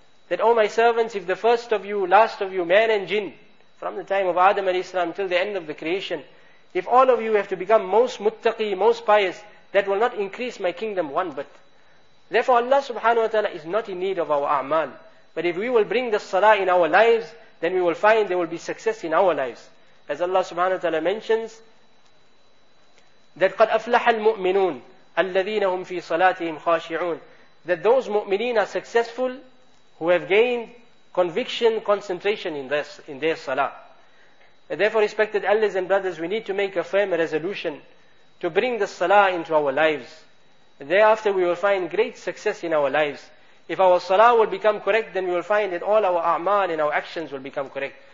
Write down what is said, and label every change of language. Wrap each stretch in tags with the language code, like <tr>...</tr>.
<en>That, O my servants, if the first of you, last of you, man and jinn, from the time of Adam alayhi salam till the end of the creation, if all of you have to become most muttaqi, most pious, that will not increase my kingdom one bit. Therefore Allah subhanahu wa ta'ala is not in need of our a'mal. But if we will bring the salah in our lives, then we will find there will be success in our lives. As Allah subhanahu wa ta'ala mentions, that</en> <ar>قَدْ أَفْلَحَ الْمُؤْمِنُونَ الَّذِينَ هُمْ فِي صَلَاتِهِمْ خَاشِعُونَ.</ar> <en>That those mu'mineen are successful who have gained conviction, concentration in their salah. And therefore, respected elders and brothers, we need to make a firm resolution to bring the salah into our lives. Thereafter, we will find great success in our lives. If our salah will become correct, then we will find that all our a'mal and our actions will become correct.</en>